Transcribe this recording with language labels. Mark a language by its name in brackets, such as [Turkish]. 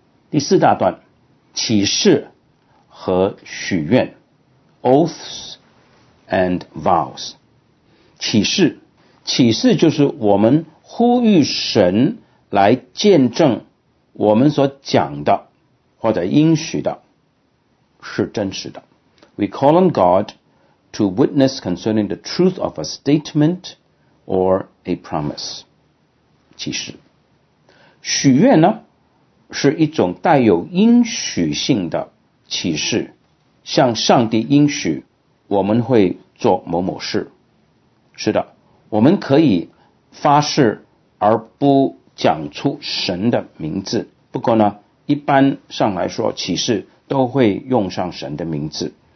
[Chinese] 第四大段，启示和许愿 [English] Oaths and Vows。 [Chinese] 启示就是我们呼吁神来见证我们所讲的或者应许的是真实的。 [English] We call on God to witness concerning the truth of a statement or a promise. [Chinese] 其实许愿呢，是一种带有应许性的启示，向上帝应许我们会做某某事。是的，我们可以发誓而不讲出神的名字，不过呢，一般上来说，启示都会用上神的名字。